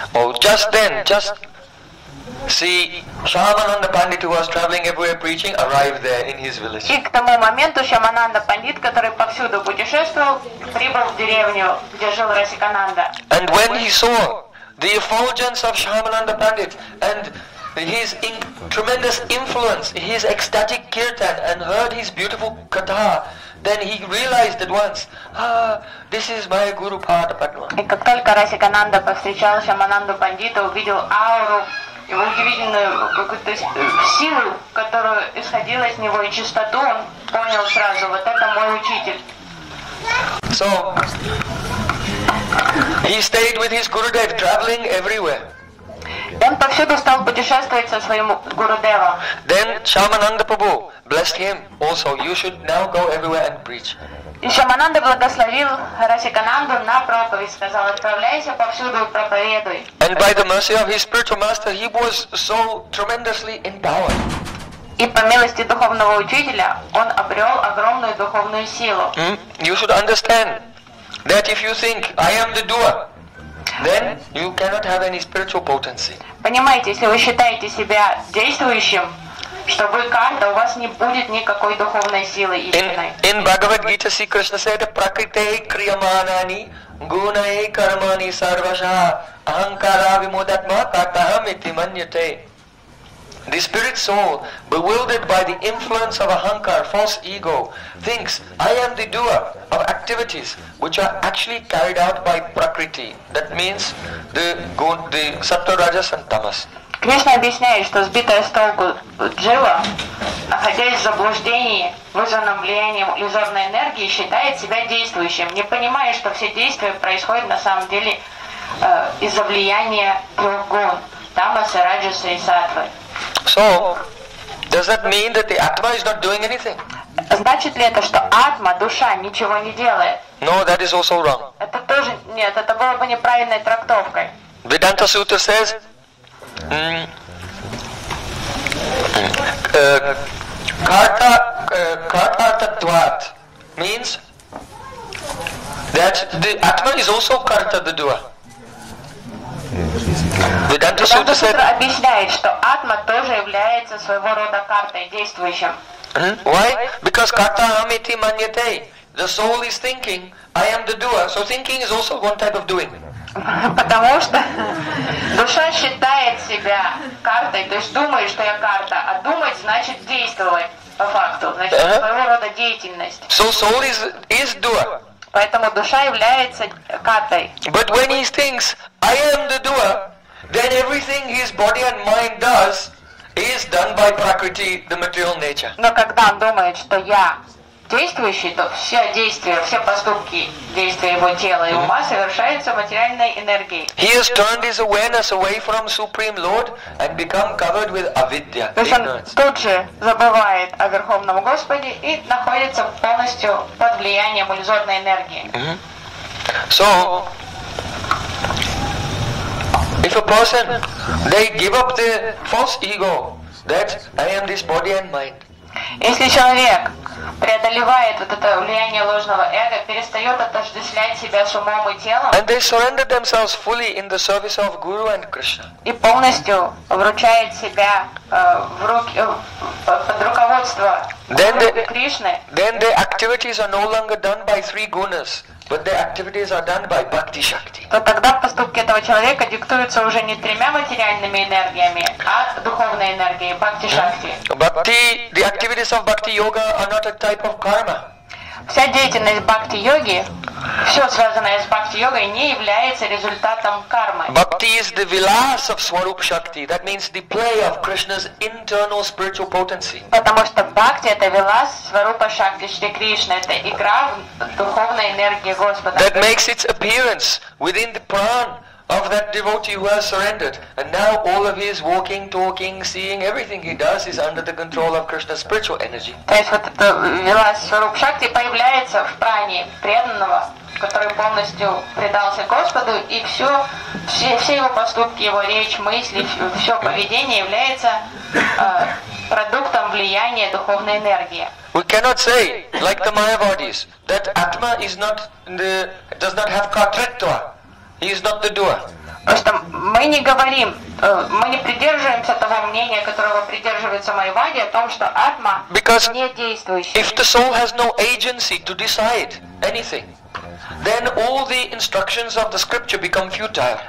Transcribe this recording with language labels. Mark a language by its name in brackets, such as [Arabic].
[English] Oh, just then, just see, Shyamananda Pandit, who was traveling everywhere preaching, arrived there in his village. [Russian] И к тому моменту Шамананда Пандит, который повсюду путешествовал, прибыл в деревню, где жил Расикананда. [English] And when he saw the effulgence of Shyamananda Pandit and his tremendous influence, his ecstatic kirtan, and heard his beautiful katha, then he realized at once, this is my Guru Pada Padma. [Russian] И как только Расикананда повстречал Шамананду Пандита, увидел ауру, его удивительную какую-то силу, которая исходила из него, и чистоту, он понял сразу, вот это мой учитель. [English] So, he stayed with his Gurudev, traveling everywhere. [Russian] Он повсюду стал путешествовать со своим Гурудевом. [English] Then Shyamananda Prabhu blessed him also. You should now go everywhere and preach. [Russian] И Шамананда благословил Расикананду на проповедь, сказал, отправляйся повсюду и проповедуй. [English] And by the mercy of his spiritual master, he was so tremendously empowered. [Russian] И по милости духовного учителя он обрел огромную духовную силу. [English] You should understand that if you think I am the doer, then you cannot have any spiritual potency. [Russian] Понимаете, если вы считаете себя действующим, что вы карта, у вас не будет никакой духовной силы истинной. [English] In Bhagavad Gita, Sri Krishna said, [Sanskrit] "Prakritey kriyamanani gunaye karmani sarvasha ahankara vimodatma kataham iti manyate." [English] The spirit soul, bewildered by the influence of ahankar, false ego, thinks, I am the doer of activities which are actually carried out by prakriti. That means the sattva, rajas and tamas. [Russian] Krishna объясняет, что сбитая с толку джива, находясь в заблуждении, вызванном влиянием иллюзорной энергии, считает себя действующим, не понимая, что все действия происходят на самом деле из-за влияния трех гун, тамаса, раджаса и сатвы. [English] So, does that mean that the Atma is not doing anything? [Russian] Значит ли это, что Атма, душа, ничего не делает? [English] No, that is also wrong. [Russian] Это тоже нет, это было бы неправильной трактовкой. [English] Vedanta Sutra says, Karta-tattvat means that the Atma is also Karta, the doer. [Russian] Vedanta Sutra объясняет, что Атма тоже является своего рода картой, действующим. [English] Why? Because [Sanskrit] karta amiti manyate. [English] The soul is thinking, I am the doer. So thinking is also one type of doing. [Russian] Потому что душа считает себя картой, то есть думает, что я карта, а думать значит действовать по факту, значит своего рода деятельность. [English] So soul is doer. [Russian] Поэтому душа является картой. [English] But when he thinks, I am the doer, then everything his body and mind does is done by prakriti, the material nature. [Russian] Но когда он думает, что я действующий, то все действия, все поступки, действия его тела и ума совершаются материальной энергией. [English] He has turned his awareness away from Supreme Lord and become covered with avidya, ignorance. [Russian] Тут же забывает о Верховном Господе и находится полностью под влиянием иллюзорной энергии. [English] So, if a person, they give up the false ego, that I am this body and mind. [Russian] Если человек преодолевает вот это влияние ложного эго, перестает отождествлять себя с умом и телом, [English] and they surrender themselves fully in the service of Guru and Krishna. [Russian] И полностью вручает себя в руки, под руководство Кришны, [English] then the activities are no longer done by three gunas. But the activities are done by Bhakti Shakti. [Russian] То тогда поступки этого человека диктуются уже не тремя материальными энергиями, а духовной энергией Bhakti Shakti. [English] Bhakti, the activities of Bhakti Yoga are not a type of karma. [Russian] Вся деятельность Bhakti Yogi, все связанное с Bhakti Yogi, не является результатом кармы. [English] Bhakti is the vilas of Swarup Shakti. That means the play of Krishna's internal spiritual potency. [Russian] Потому что Bhakti это vilas Swarupa Shakti Shri Krishna, это игра в духовной энергии Господа. [English] That makes its appearance within the prana of that devotee who has surrendered, and now all of his walking, talking, seeing, everything he does is under the control of Krishna's spiritual energy. [Russian] То есть вот это вилас сваруп шакти появляется в пране преданного, который полностью предался Господу, и все его поступки, его речь, мысли, все поведение является продуктом влияния духовной энергии. [English] We cannot say, like the Mayavadis, that Atma is not the does not have kartritva. He is not the doer. [Russian] Просто мы не говорим, мы не придерживаемся того мнения, которого придерживается Майвади, о том, что атма не действующий. [English] If the soul has no agency to decide anything, then all the instructions of the scripture become futile.